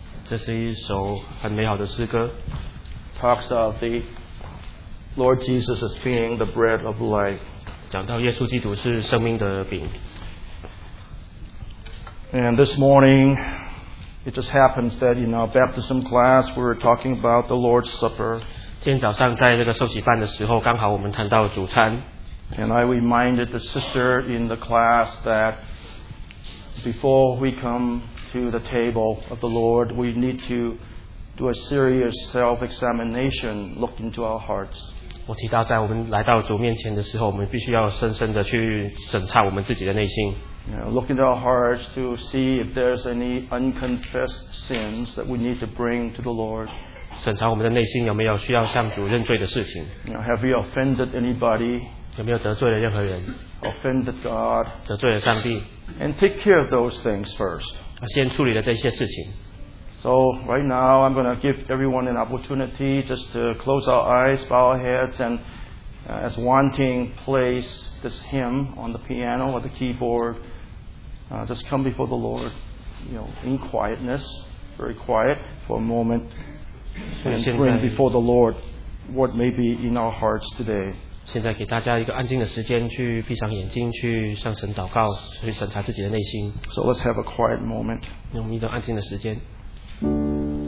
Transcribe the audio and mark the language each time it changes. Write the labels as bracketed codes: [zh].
[zh] 这是一首很美好的诗歌。 [en] Talks of the Lord Jesus as being the bread of life. [zh] 讲到耶稣基督是生命的饼。 [en] And this morning, it just happens that in our baptism class, we're talking about the Lord's Supper. [zh] 今天早上在这个受洗班的时候，刚好我们谈到主餐。 [en] And I reminded the sister in the class that before we come to the table of the Lord, we need to do a serious self-examination, look into our hearts. [zh] 我提到在我们来到主面前的时候，我们必须要深深的去审查我们自己的内心。 [en] Look into our hearts to see if there's any unconfessed sins that we need to bring to the Lord. [zh] 审查我们的内心有没有需要向主认罪的事情。 [en] Have you offended anybody? [zh] 有没有得罪了任何人？ [en] Offended God? [zh] 得罪了上帝。 [en] And take care of those things first. [zh] 先处理了这些事情。 [en] So right now, I'm going to give everyone an opportunity just to close our eyes, bow our heads, and as one team plays this hymn on the piano or the keyboard, just come before the Lord, in quietness, very quiet for a moment, and bring before the Lord what may be in our hearts today. [zh] 现在给大家一个安静的时间，去闭上眼睛，去向神祷告，去审查自己的内心。 [en] So let's have a quiet moment. [zh] 用一段安静的时间。